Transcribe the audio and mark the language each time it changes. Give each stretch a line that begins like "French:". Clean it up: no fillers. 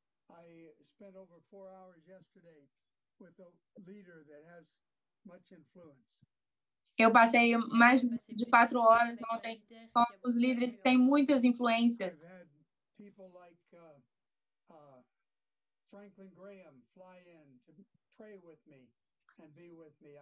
English: I spent over 4 hours yesterday with a leader that has much influence.
Portuguese: Eu passei mais de 4 horas ontem com os líderes que têm muitas influências.
English: I've had people like Franklin Graham fly in to pray with me and be with me.